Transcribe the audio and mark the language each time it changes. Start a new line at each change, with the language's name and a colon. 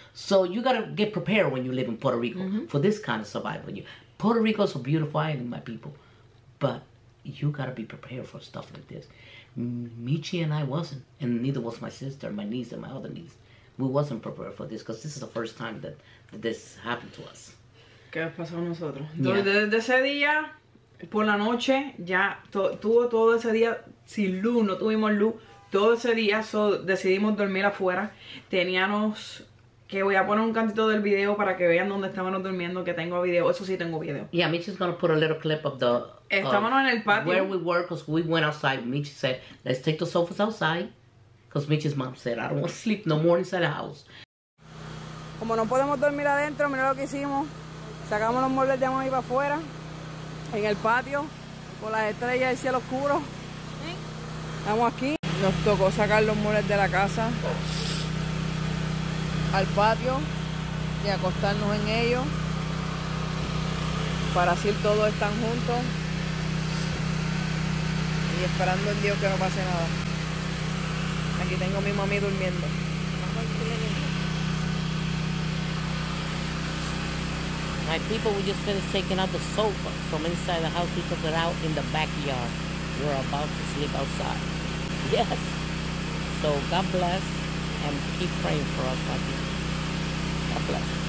English: So you gotta get prepared when you live in Puerto Rico for this kind of survival. Puerto Rico is a beautiful island, my people, but you gotta be prepared for stuff like this. Michi and I wasn't, and neither was my sister, my niece, and my other niece. We wasn't prepared for this, because this is the first time that this happened to us.
Spanish: ¿Qué pasó a nosotros? Desde ese día, por la noche, ya tuvo todo ese día sin luz, no tuvimos luz. Todo ese día decidimos dormir afuera. Teníamos que voy a poner un cantito del video para que vean dónde estábamos durmiendo, que tengo video. Eso sí tengo video.
English: Yeah, Mitch is going to put a little clip of the...
Spanish: Estábamos en el patio.
English: Where we were, because we went outside. Mitch said, let's take the sofas outside. Because Mitch's mom said, I don't want to sleep no more inside the house.
Spanish: Como no podemos dormir adentro, mira lo que hicimos. Sacamos los muebles de mamá y para afuera. En el patio. Con las estrellas del cielo oscuro. Estamos aquí. Nos tocó sacar los muebles de la casa. Al patio y acostarnos en ellos para así todos están juntos y esperando en Dios que no pase nada. Aquí tengo a mi mami durmiendo.
English: My people, we just finished taking out the sofa from inside the house. We took it out in the backyard. We're about to sleep outside. Yes. So God bless and keep praying for us, my people.